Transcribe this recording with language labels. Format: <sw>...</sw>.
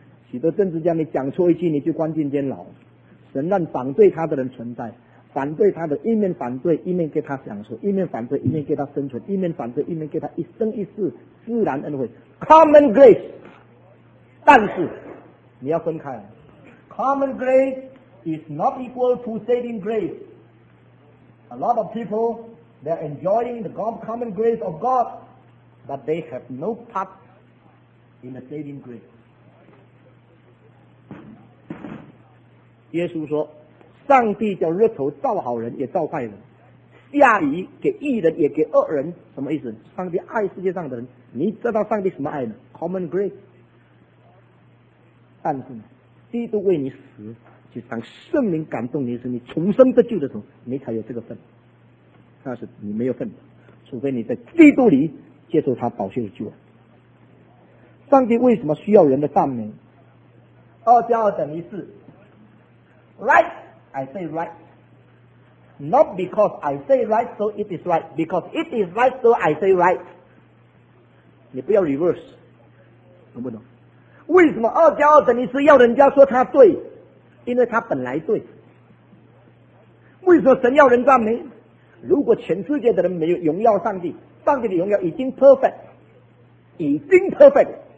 <zh>许多政治家，你讲错一句，你就关进监牢。神让反对他的人存在，反对他的一面反对，一面给他享受；一面反对，一面给他生存；一面反对，一面给他一生一世自然恩惠 ，</zh> <en>common grace。</en> <zh>但是你要分开</zh> <en>，common grace is not equal to saving grace. A lot of people. They are enjoying the common grace of God, but they have no part in the saving grace.</en> <zh>耶稣说，上帝叫日头照好人也照坏人，下雨给义人也给恶人，什么意思？上帝爱世界上的人，你知道上帝什么爱呢？</zh> <en>Common grace.</en> <zh>但是基督为你死，就当圣灵感动你时，你重生得救的时候，你才有这个份。那是你没有份的，除非你在基督里接受他宝血的救恩。上帝为什么需要人的赞美？二加二等于四。</zh> <en>Right, I say right. Not because I say right, so it is right. Because it is right, so I say right.</en> <zh>你不要</zh> <en>reverse,</en> <zh>懂不懂？为什么二加二等于四要人家说他对？因为他本来对。为什么神要人赞美？如果全世界的人没有荣耀上帝，上帝的荣耀已经</zh> <en>perfect，</en> <zh>已经 perfect。</zh>